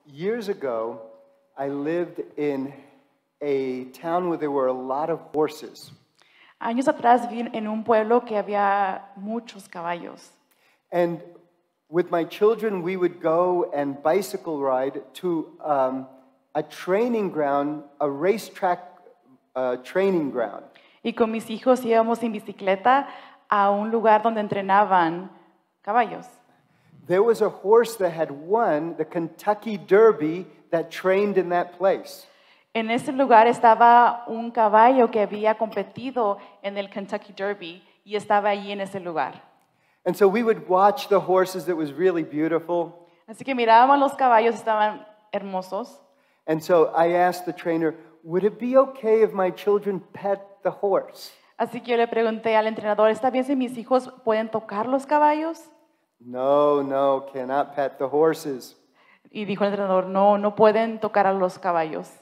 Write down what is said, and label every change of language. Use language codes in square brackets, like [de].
[en] Years ago, I lived in a town where there were a lot of horses. [es] Años atrás viví en un pueblo que había muchos caballos. [en] And with my children, we would go and bicycle ride to a training ground, a racetrack training ground. [es] Y con mis hijos íbamos en bicicleta a un lugar donde entrenaban caballos. [en] There was a horse that had won the Kentucky Derby that trained in that place. [es] En ese lugar estaba un caballo que había competido en el Kentucky Derby y estaba allí en ese lugar. [en] And so we would watch the horses. It was really beautiful. [es] Así que mirábamos los caballos, estaban hermosos. [en] And so I asked the trainer, would it be okay if my children pet the horse? [es] Así que yo le pregunté al entrenador, ¿está bien si mis hijos pueden tocar los caballos? [en] No, no, cannot pet the horses. [es] Y dijo el entrenador, no, no pueden tocar a los caballos.